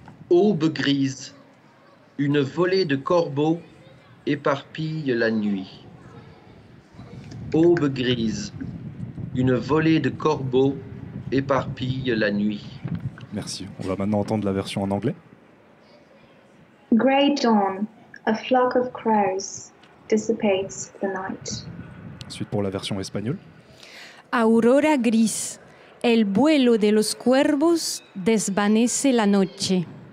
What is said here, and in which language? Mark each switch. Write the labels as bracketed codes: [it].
[fr] Aube grise, une volée de corbeaux éparpille la nuit. Aube grise, une volée de corbeaux éparpille la nuit. Merci. On va maintenant entendre la version en anglais. [en] Grey dawn, a flock of crows dissipates the night. [fr] Ensuite, pour la version espagnole. [es] Aurora gris, el vuelo de los cuervos desvanece la noche.